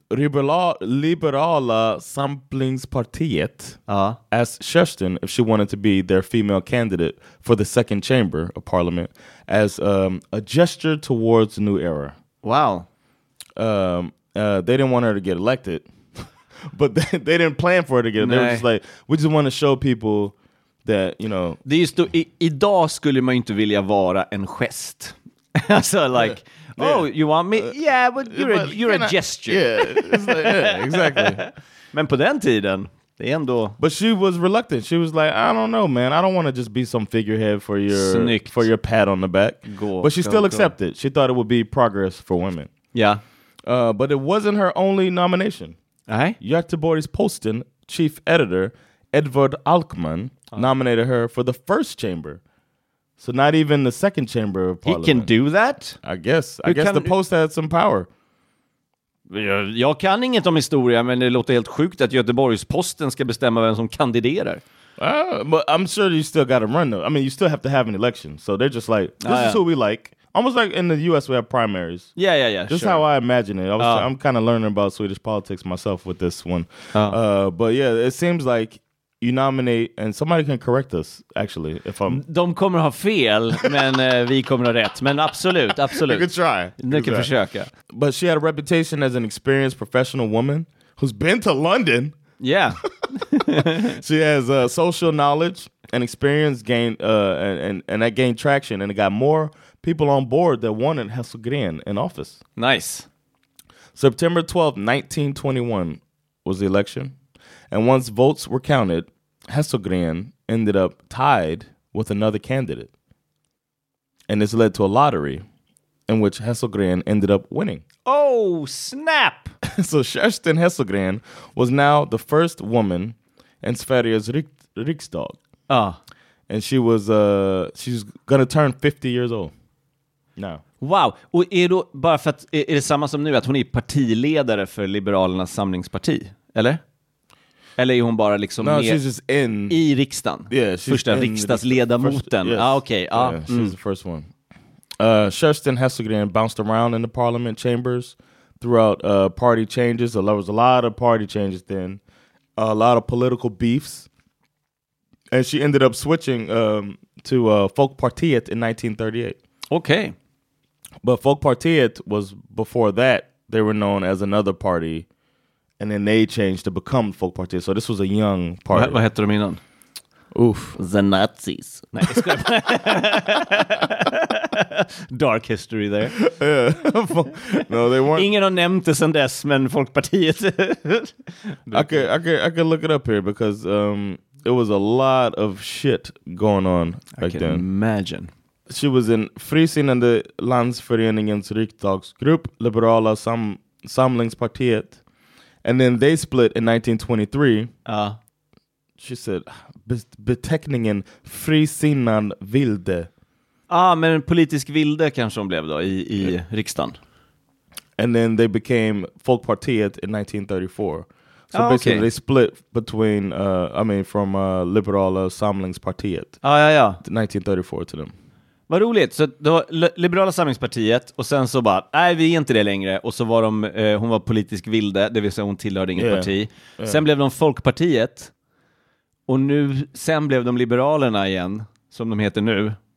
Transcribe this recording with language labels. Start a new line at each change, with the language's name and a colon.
English: Liberala Samlingspartiet asked Kerstin if she wanted to be their female candidate for the second chamber of parliament as a gesture towards the new era. Wow. They didn't want her to get elected, but they didn't plan for her to get elected. They were just like, we just want to show people that, you know...
Swedish: Det är just då, idag skulle man inte vilja vara en gest.
English: Alltså, like... Oh, you want me? Yeah, but you're a gesture. Yeah, exactly.
Swedish: Men på den tiden, det är ändå...
English: But she was reluctant. She was like, I don't know, man. I don't want to just be some figurehead for your
Swedish: Snyggt.
English: For your pat on the back. Go, but she go, still go. Accepted. She thought it would be progress for women. Yeah. But it wasn't her only nomination. Göteborgs Posten chief editor, Edvard Alkman, nominated her for the first chamber. So not even the second chamber of parliament. He can do that? I guess. Hur I guess the post had some power.
Swedish: Jag kan inget om historia, men det låter helt sjukt att Göteborgs Posten ska bestämma vem som kandiderar.
English: But I'm sure you still got to run, though. I mean, you still have to have an election. So they're just like, this is who we like. Almost like in the U.S. we have primaries. Yeah, just sure. How I imagine it. I'm kind of learning about Swedish politics myself with this one. But yeah, it seems like... You nominate, and somebody can correct us, actually, if I'm...
Swedish: De kommer ha fel, men vi kommer ha rätt. Men absolut, absolut.
English: You can try.
Swedish: Ni kan försöka.
English: But she had a reputation as an experienced professional woman who's been to London. Yeah. She has social knowledge and experience gained, and that gained traction, and it got more people on board that wanted Hesselgren in office. Nice. September 12, 1921 was the election. And once votes were counted, Hesselgren ended up tied with another candidate. And this led to a lottery in which Hesselgren ended up winning. Oh, snap! So Kerstin Hesselgren was now the first woman in Sveriges riksdag. Ah. And she's going to turn 50 years old now. Wow.
Swedish: Och är då bara för att är det samma som nu att hon är partiledare för Liberalernas samlingsparti, eller? Eller är hon bara liksom i riksdagen?
English: Yeah,
Swedish: första riksdagsledamoten. Ja, okej. Ja,
English: she's the first one. Kerstin Hesselgren bounced around in the parliament chambers throughout party changes. There was a lot of party changes then. A lot of political beefs. And she ended up switching to Folkpartiet in 1938. Okay. But Folkpartiet was before that, they were known as another party. And then they changed to become Folkpartiet. So this was a young party.
Swedish: Vad hette de innan? Oof.
English: The Nazis. Dark history there. Yeah. No, they weren't.
Swedish: Ingen har nämnt det sedan dess, men Folkpartiet.
English: I could look it up here because... it was a lot of shit going on back then. I can imagine. She was in Frisin and the Landsföreningens Riksdagsgrupp, Liberala Samlingspartiet. And then they split in 1923. She said,
Swedish: beteckningen Frisinnan Vilde. Ah, men politisk vilde kanske hon blev då i riksdagen.
English: And then they became Folkpartiet in 1934. So basically they split between, from Liberala Samlingspartiet.
Swedish: Ah, ja.
English: 1934 to them.
Swedish: Vad roligt. Så det var Liberala Samlingspartiet och sen så bara, nej vi är inte det längre. Och så var hon var politisk vilde, det vill säga hon tillhörde inget parti. Yeah. Sen blev de Folkpartiet och nu, sen blev de Liberalerna igen, som de heter nu.